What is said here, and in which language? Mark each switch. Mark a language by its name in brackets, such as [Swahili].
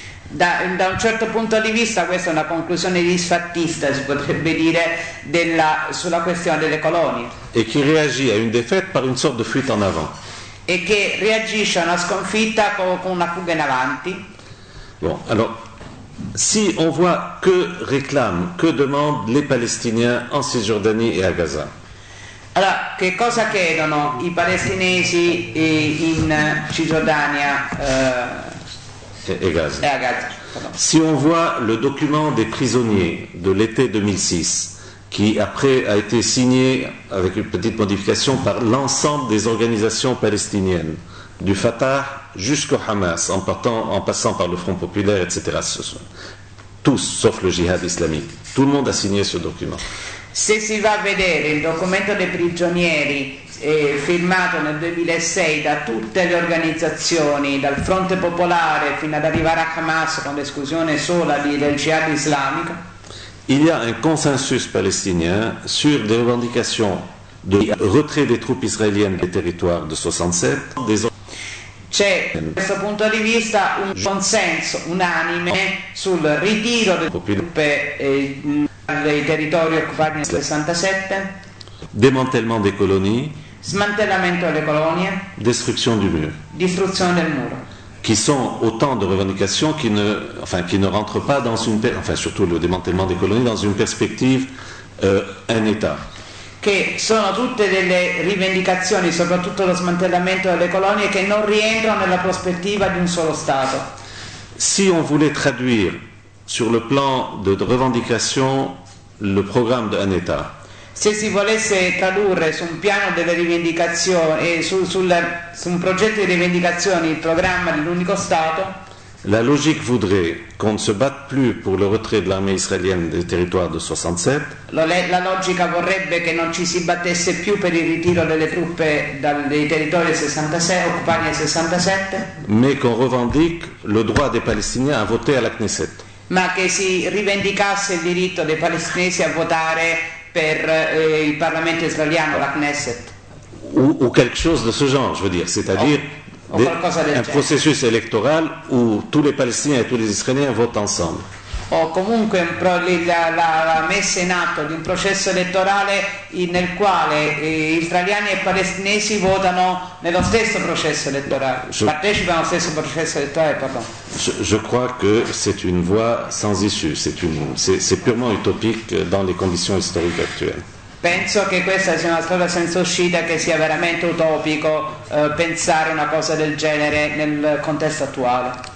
[Italian] Da un certo punto di vista questa è una conclusione disfattista, si potrebbe dire, sulla questione delle colonie. E che reagisce a una [French] défaite par une sorte de fuite en avant. [Italian] E che reagisce a una sconfitta con una fuga in avanti. [French] Bon, alors, si on voit que réclament, que demandent les Palestiniens en Cisgiordanie et à Gaza. [Italian] Alors, che cosa chiedono i palestinesi in Cisgiordania [French] et Gaza. Et à Gaza. Si on voit le document des prisonniers de l'été 2006, qui après a été signé, avec une petite modification, par l'ensemble des organisations palestiniennes, du Fatah jusqu'au Hamas, en passant par le Front Populaire, etc. Ce sont tous, sauf le djihad islamique. Tout le monde a signé ce document. [Italian] Se si va a vedere il documento dei prigionieri firmato nel 2006 da tutte le organizzazioni, dal Fronte Popolare fino ad arrivare a Hamas, con l'esclusione sola del djihad islamico, [French] il y a un consensus palestinien sur des revendications de retrait des troupes israéliennes des territoires de 67. [Italian] C'è, da questo punto di vista, un consenso unanime sul ritiro delle truppe dai territori occupati nel 67. [French] Démantèlement des colonies. [Italian] Smantellamento delle colonie. [French] Destruction du mur. [Italian] Distruzione del muro. [French] Qui sont autant de revendications qui ne rentrent pas dans une surtout le démantèlement des colonies dans une perspective un État. [Italian] Che sono tutte delle rivendicazioni, soprattutto lo smantellamento delle colonie, che non rientrano nella prospettiva di un solo Stato. [French] Si on voulait traduire sur le plan de revendication le programme d'un État. [Italian] Se si volesse tradurre su un piano delle rivendicazioni e su un progetto di rivendicazioni il programma dell'unico Stato. [French] La logique voudrait qu'on ne se batte plus pour le retrait de l'armée israélienne des territoires de 67. [Italian] La logica vorrebbe che non ci si battesse più per il ritiro delle truppe dai territori 66, occupati nel 67. [French] Mais qu'on revendique le droit des Palestiniens à voter à la Knesset. [Italian] Ma che si rivendicasse il diritto dei palestinesi a votare per il Parlamento israeliano, la Knesset. [French] Ou quelque chose de ce genre, je veux dire, c'est-à-dire. Oh. Un processus électoral où tous les Palestiniens et tous les Israéliens votent ensemble. [Italian] O comunque la messa in atto di un processo elettorale nel quale israeliani e palestinesi votano nello stesso processo elettorale. Partecipano allo stesso processo elettorale, pardon. [French] Je crois que c'est une voie sans issue, c'est purement utopique dans les conditions historiques actuelles. [Italian] Penso che questa sia una strada senza uscita, che sia veramente utopico pensare una cosa del genere nel contesto attuale.